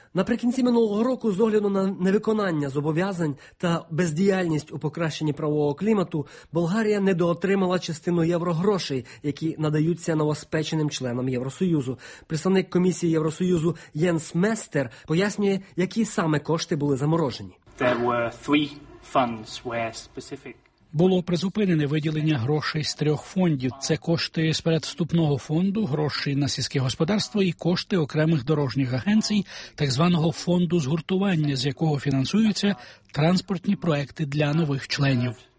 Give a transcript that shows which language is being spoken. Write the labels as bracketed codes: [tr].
[uk] Наприкінці минулого року, з огляду на невиконання зобов'язань та бездіяльність у покращенні правового клімату, Болгарія недоотримала частину єврогрошей, які надаються новоспеченим членам Євросоюзу. Представник комісії Євросоюзу Єнс Местер пояснює, які саме кошти були заморожені. [en] There were three funds where specific... [uk] Було призупинене виділення грошей з 3 фондів. Це кошти з передвступного фонду, гроші на сільське господарство і кошти окремих дорожніх агенцій, так званого фонду згуртування, з якого фінансуються транспортні проекти для нових членів.